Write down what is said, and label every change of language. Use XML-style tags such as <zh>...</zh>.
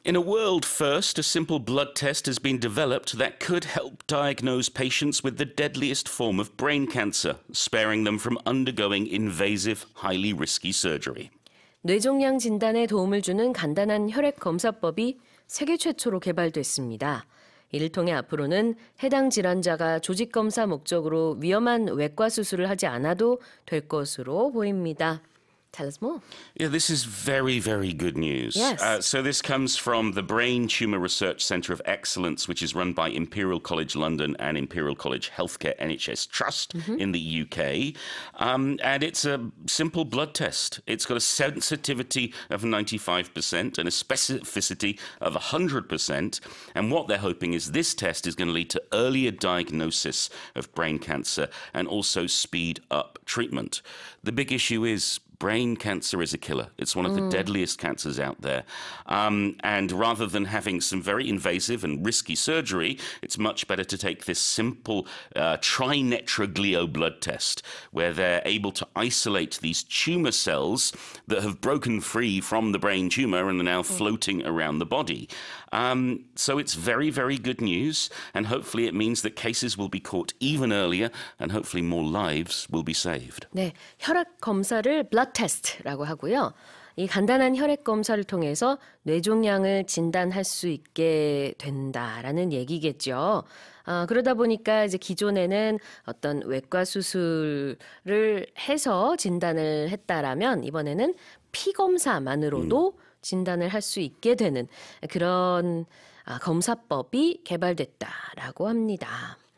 <en>In a world first, a simple blood test has been developed that could help diagnose patients with the deadliest form of brain cancer, sparing them from undergoing invasive, highly risky surgery.</en> <ko>뇌종양 진단에 도움을 주는 간단한 혈액 검사법이 세계 최초로 개발됐습니다. 이를 통해 앞으로는 해당 질환자가 조직 검사 목적으로 위험한 외과 수술을 하지 않아도 될 것으로 보입니다.</ko> <en>Tell us more. Yeah, this is very, very good news. Yes. So this comes from the Brain Tumor Research Centre of Excellence, which is run by Imperial College London and Imperial College Healthcare NHS Trust mm-hmm. in the UK. And it's a simple blood test. It's got a sensitivity of 95% and a specificity of 100%. And what they're hoping is this test is going to lead to earlier diagnosis of brain cancer and also speed up treatment. The big issue is brain cancer is a killer. It's one of the deadliest cancers out there. And rather than having some very invasive and risky surgery, it's much better to take this simple trinetroglio blood test, where they're able to isolate these tumor cells that have broken free from the brain tumor and are now floating around the body. So it's very, very good news. And hopefully it means that cases will be caught even earlier and hopefully more lives will be saved.</en> <ko>네, 혈액 검사를 blood test라고 하고요. 이 간단한 혈액 검사를 통해서 뇌종양을 진단할 수 있게 된다라는 얘기겠죠. 아, 그러다 보니까 이제 기존에는 어떤 외과 수술을 해서 진단을 했다라면 이번에는 피 검사만으로도 진단을 할 수 있게 되는 그런 검사법이 개발됐다라고 합니다.</ko>